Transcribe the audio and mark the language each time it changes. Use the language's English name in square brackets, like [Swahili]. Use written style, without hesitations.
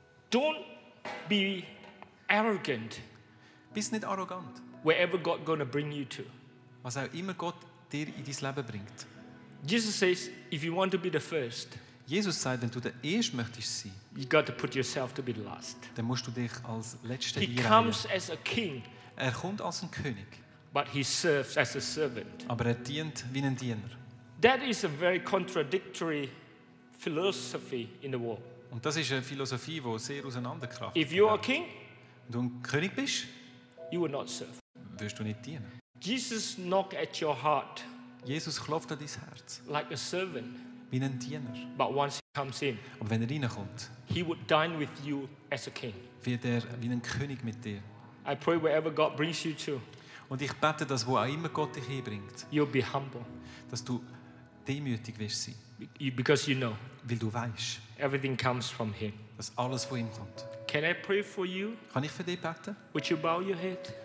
[English] Don't be arrogant. [German] Bist nicht arrogant. [English] Wherever God gonna bring you to. [German] Was auch immer Gott dir in dein Leben bringt. [English] Jesus says, if you want to be the first. [German] Jesus sagt, wenn du der Erste möchtest sein. [English] You got to put yourself to be the last. [German] Dann musst du dich als Letzter [English] He [German] einreihen. [English] Comes as a king. [German] Er kommt als ein König. [English] But he serves as a servant. [German] Aber er dient wie ein Diener. [English] That is a very contradictory philosophy in the world. [German] Und das ist eine Philosophie, die sehr auseinanderkraftet. [English] If you are a king, [German] du ein König bist, [English] you will not serve. [German] Wirst du nicht dienen. [English] Jesus knock at your heart. [German] Jesus klopft an dein Herz. [English] Like a servant. [German] Wie ein Diener. [English] But once he comes in, [German] aber wenn er reinkommt, [English] he would dine with you as a king. [German] Wird er wie ein König mit dir. [English] I pray wherever God brings you to. [German] Und ich bete, dass wo auch immer Gott dich hinbringt. [English] You'll be humble. [German] Dass du demütig wirst sein. [English] Because you know. [German] Weil du weißt. [English] Everything comes from him. [German] Dass alles von ihm kommt. [English] Can I pray for you? [German] Kann ich für dich beten? [English] Would you bow your head?